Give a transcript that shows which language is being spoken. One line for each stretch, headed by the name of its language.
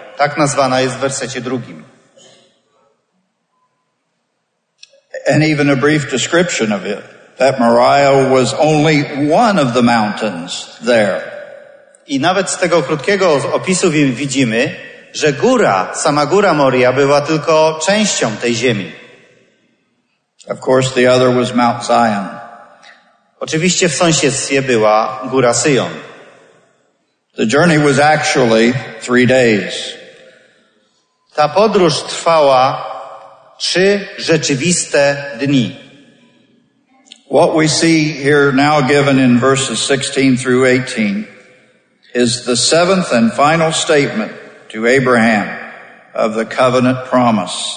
Polish: Tak nazwana jest w wersecie drugim.
English: And even a brief description of it, that Moriah was only one of the mountains there.
Polish: I nawet z tego krótkiego opisu widzimy, że góra, sama góra Moria była tylko częścią tej ziemi.
English: Of course the other was Mount Zion.
Polish: Oczywiście w sąsiedztwie była góra Syjon.
English: The journey was actually 3 days.
Polish: Ta podróż trwała 3 rzeczywiste dni.
English: What we see here now given in verses 16 through 18 is the 7th and final statement to Abraham of the covenant promise.